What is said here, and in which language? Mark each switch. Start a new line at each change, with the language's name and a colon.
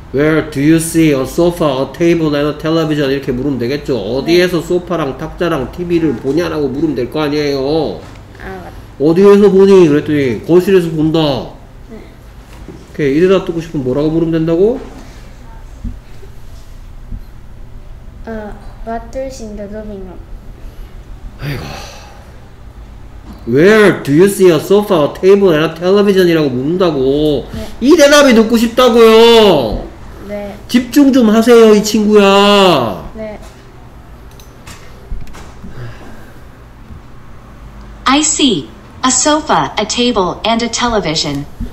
English: Where do you see a sofa, a table, and a television?
Korean: 이렇게 물으면 되겠죠? 어디에서 네. 소파랑 탁자랑 TV를 보냐라고 물으면 될 거 아니에요? 아 맞다 어디에서 보니? 그랬더니 거실에서 본다 네 오케이 이 대답 듣고 싶으면 뭐라고 물으면 된다고?
English: What is in the living room?
Korean: 아이고
English: Where do you see a sofa, a table, and a television?
Korean: 이라고 묻는다고 네. 이 대답이 듣고 싶다고요 네 집중 좀 하세요 이 친구야 네
English: I see a sofa, a table, and a television